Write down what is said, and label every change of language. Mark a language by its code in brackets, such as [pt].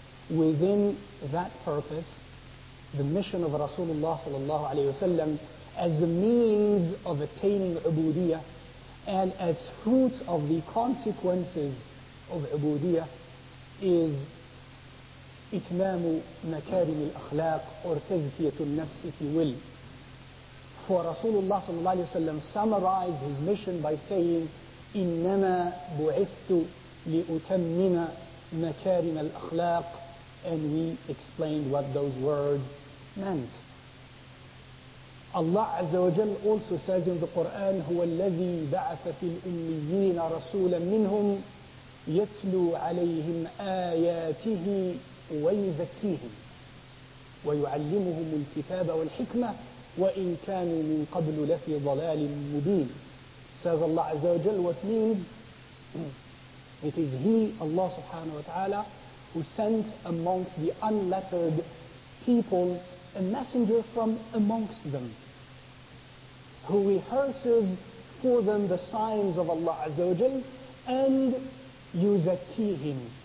[en] Within that purpose, the mission of Rasulullah sallallahu alayhi wa sallam as the means of attaining ubudiyah and as fruits of the consequences of ubudiyah is itmamu makarim al-akhlaq or tazkiyat al-nafs, if you will. For Rasulullah sallallahu alayhi wa sallam summarized his mission by saying [ar] innama bu'ithtu li'utammima makarim al-akhlaq, [en] and we explained what those words meant. Allah Azza wa Jal also says in the Quran, [ar] هُوَ الَّذِي بَعَثَ فِي الْأُمِّيِّينَ رَسُولًا مِّنْهُمْ يَتْلُو عَلَيْهِمْ آيَاتِهِ وَيُزَكِّيهِمْ وَيُعَلِّمُهُمُ الْكِتَابَ وَالْحِكْمَةِ وَإِنْ كَانُوا مِنْ قَبْلُ لَفِي ضَلَالٍ مُّبِينٍ. [en] Says Allah Azza wa Jal, what means? It is He, Allah Subhanahu wa Ta'ala, who sent amongst the unlettered people a messenger from amongst them, who rehearses for them the signs of Allah Azza wa Jal, and yuzakkihim,